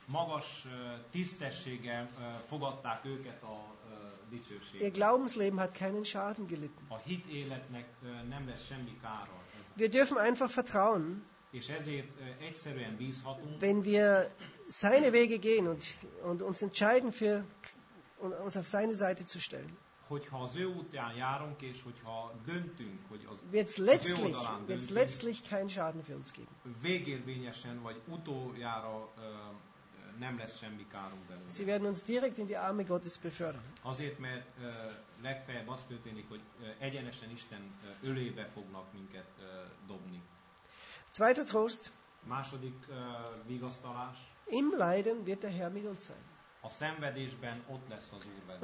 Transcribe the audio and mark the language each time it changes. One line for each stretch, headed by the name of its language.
Hungarian: Magas tisztességgel fogadták őket a dicsőségben.
German: Ihr Glaubensleben hat keinen Schaden gelitten.
Hungarian: A hit életnek nem lesz semmi kára.
German: Wir dürfen einfach vertrauen.
Hungarian: És ezért egyszerűen bízhatunk.
German: Wenn wir seine Wege gehen und uns entscheiden für und uns auf seine Seite zu stellen.
Hungarian: Hogyha az ő útján járunk és hogyha döntünk, hogy az
German: wird's letztlich kein Schaden für uns geben.
Hungarian: Végérvényesen vagy utoljára nem lesz semmi kárunk belőle.
German: Sie werden uns direkt in die Arme Gottes befördern.
Hungarian: Azért, mert legfeljebb az történik, hogy egyenesen Isten ölébe fognak minket dobni.
German: Zweiter Trost.
Hungarian: Második vigasztalás.
German: Im Leiden wird der Herr mit uns sein.
Hungarian: A szenvedésben ott lesz az Úr velünk.